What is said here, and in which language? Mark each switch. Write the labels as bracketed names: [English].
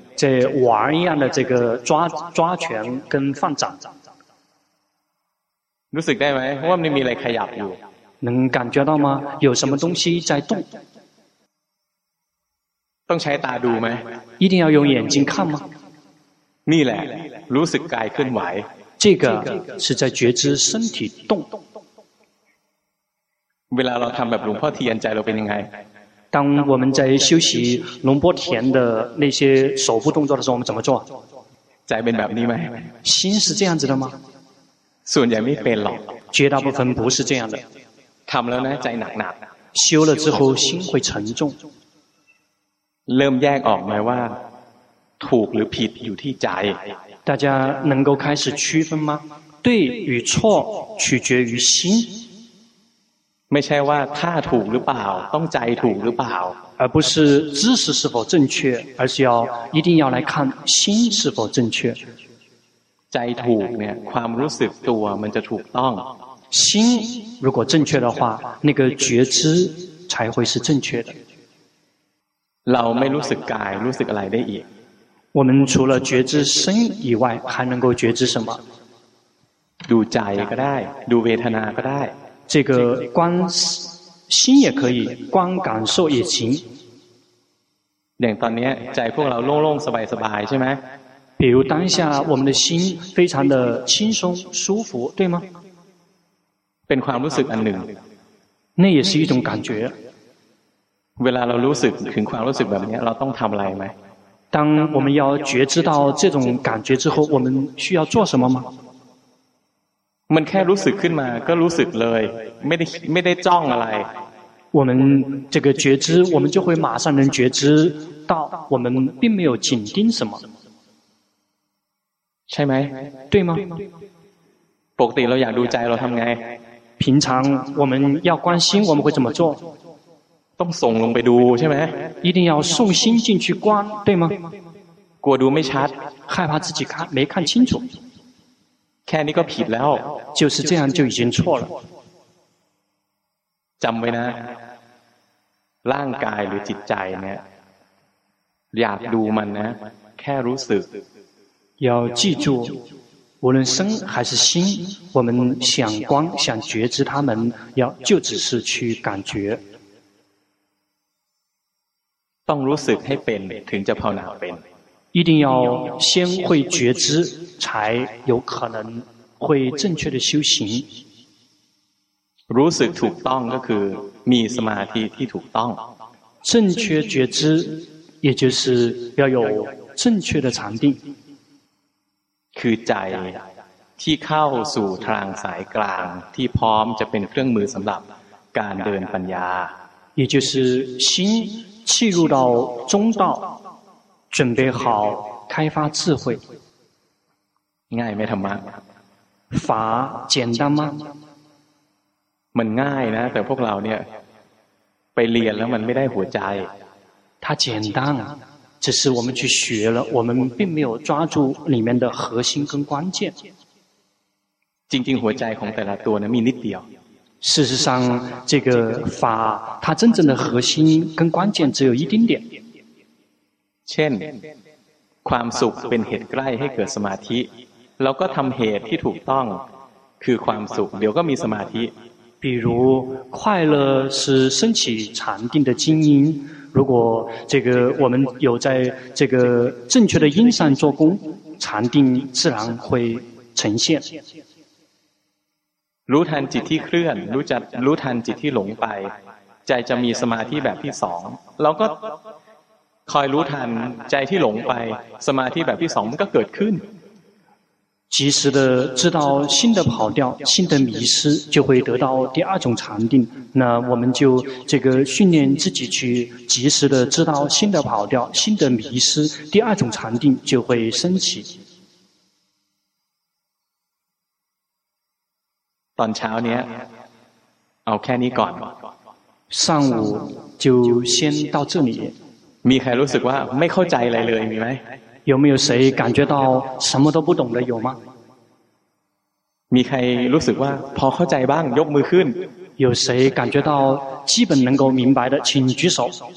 [Chinese] 这玩一样的这个抓抓拳跟放掌 [Thai] รู้สึกได้ไหมว่ามันมีอะไรขยับอยู่ [Chinese] 能感觉到吗有什么东西在动 [Thai] ต้องใช้ตาดูไหม [Chinese] 一定要用眼睛看吗 [Thai] นี่แหละรู้สึกกายเคลื่อนไหว [Chinese] 这个是在觉知身体动 [Thai] เวลาเราทำแบบหลวงพ่อเทียนใจเราเป็นยังไง [Chinese] 当我们在修习龙波田的那些手部动作的时候我们怎么做 [Thai] ใจเป็นแบบนี้ไหม [Chinese] 心是这样子的吗 [Thai] ส่วนใหญ่ไม่เป็นหรอก [Chinese] 绝大部分不是这样的 [Thai] ทำแล้วนะใจหนักหนัก [Chinese] 修了之后心会沉重 [Thai] เริ่มแยกออกไหมว่าถูกหรือผิดอยู่ที่ใจ [Chinese] 大家能够开始区分吗对与错取决于心 [Thai] ไม่ใช่ว่าท่าถูกหรือเปล่าต้องใจถูกหรือเปล่า [Chinese] 而不是姿势是否正确而是要一定要来看心是否正确 [Thai] ใจถูกเนี่ยความรู้สึกตัวมันจะถูกต้อง [Chinese] 心如果正确的话那个觉知才会是正确的 [Thai] เราไม่รู้สึกกายรู้สึกอะไรได้อีก [Chinese] 我们除了觉知身以外还能够觉知什么 [Thai] ดูใจก็ได้ดูเวทนาก็ได้ [Chinese] 这个观心也可以观感受也行 [Thai] อย่างตอนนี้ใจพวกเราโล่งๆสบายๆใช่ไหม [Chinese] 比如当下我们的心非常的轻松舒服对吗 [Thai] เป็นความรู้สึกอันหนึ่ง [Chinese] 那也是一种感觉 [Thai] เวลาเรารู้สึกถึงความรู้สึกแบบนี้เราต้องทำอะไรไหม [Chinese] 当我们要觉知到这种感觉之后我们需要做什么吗 [Thai] มันแค่รู้สึกขึ้นมาก็รู้สึกเลยไม่ได้จ้องอะไร [Chinese] 我们这个觉知我们就会马上能觉知到我们并没有紧盯什么 [Thai] ใช่ไหม [Chinese] 对吗 [Thai] ปกติเราอยากดูใจเราทำไง [Chinese] 平常我们要关心我们会怎么做 [Thai] ต้องส่งลงไปดูใช่ไหม [Chinese] 一定要送心进去观对吗 [Thai] กลัวดูไม่ชัด [Chinese] 害怕自己看没看清楚 [Thai] แค่นี้ก็ผิดแล้ว [Chinese] 就是这样就已经错了 [Thai] จำไว้นะร่างกายหรือจิตใจเนี่ยอยากดูมันนะแค่รู้สึก [Chinese] 要记住无论身还是心我们想观想觉知他们要就只是去感觉 [Thai] ต้องรู้สึกให้เป็นถึงจะภาวนาเป็น [Chinese] 一定要先会觉知才有可能会正确的修行 [Thai] รู้สึกถูกต้องก็คือ 密สมาธิที่ถูกต้อง [Chinese] 正确觉知也就是要有正确的禅定 [Thai] คือใจที่เข้าสู่ทางสายกลางที่พร้อมจะเป็นเครื่องมือสำหรับการเดินปัญญา [Chinese] 也就是心契入到中道准备好开发智慧 [Thai] ง่ายไหมธรรมะ [Chinese] 法简单吗 [Thai] มันง่ายนะแต่พวกเราเนี่ยไปเรียนแล้วมันไม่ได้หัวใจ [Chinese] 它简单只是我们去学了我们并没有抓住里面的核心跟关键 [Thai] จริงๆหัวใจของแต่ละตัวนะมีนิดเดียว [Chinese] 事实上这个法它真正的核心跟关键只有一丁点 [Thai] เช่นความสุขเป็นเหตุใกล้ให้เกิดสมาธิแล้วก็ทำเหตุที่ถูกต้องคือความสุขเดี๋ยวก็มีสมาธิ [Chinese] 比如快乐是升起禅定的精因如果这个我们有在这个正确的因上做功禅定自然会呈现 [Thai] รู้ทันจิตที่เคลื่อนรู้จักรู้ทันจิตที่หลงไปใจจะมีสมาธิแบบที่สองเราก็คอยรู้ทันใจที่หลงไปสมาธิแบบที่สองมันก็เกิดขึ้น [Chinese] 及时的知道心的跑掉心的迷失就会得到第二种禅定那我们就这个训练自己去及时的知道心的跑掉心的迷失第二种禅定就会升起 [Thai] ตอนเช้าเนี้ยเอาแค่นี้ก่อน [Chinese] 上午就先到这里 [Thai] มีใครรู้สึกว่าไม่เข้าใจอะไรเลยมีไหม [Chinese] 有没有谁感觉到什么都不懂的有吗 [Thai] มีใครรู้สึกว่าพอเข้าใจบ้างยกมือขึ้น [Chinese] 有谁感觉到基本能够明白的请举手